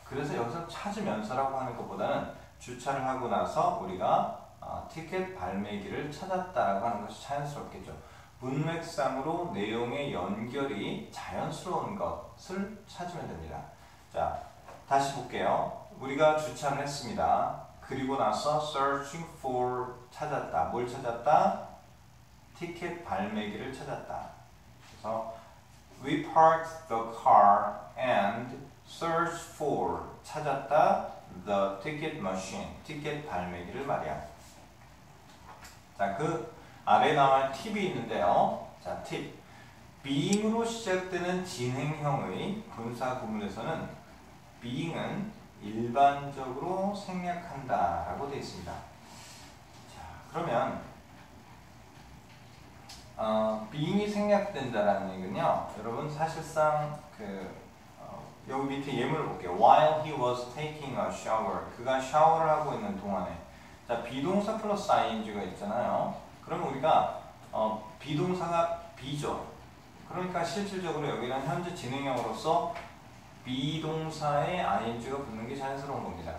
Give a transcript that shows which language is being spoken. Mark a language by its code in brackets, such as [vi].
[ko] 그래서 여기서 찾으면서라고 하는 것보다는 주차를 하고 나서 우리가 티켓 발매기를 찾았다라고 하는 것이 자연스럽겠죠. 문맥상으로 내용의 연결이 자연스러운 것을 찾으면 됩니다. 자, 다시 볼게요. 우리가 주차를 했습니다. 그리고 나서 [en] searching for [ko] 찾았다. 뭘 찾았다? 티켓 발매기를 찾았다. 그래서 [en] we parked the car and searched for [ko] 찾았다. [en] the ticket machine [ko] 티켓 발매기를 말이야. 자, 그 아래 나와 팁이 있는데요. 자, 팁. being으로 시작되는 진행형의 분사 구문에서는 being은 일반적으로 생략한다 라고 되어 있습니다. 자, 그러면 being이 생략된다라는 얘기는요, 여러분 사실상 여기 밑에 예문을 볼게요. [en] While he was taking a shower. [ko] 그가 샤워를 하고 있는 동안에. 자, 비동사 플러스 ing가 있잖아요. 그럼 우리가 비동사가 be죠. 그러니까 실질적으로 여기는 현재 진행형으로서 비동사에 ing가 붙는 게 자연스러운 겁니다.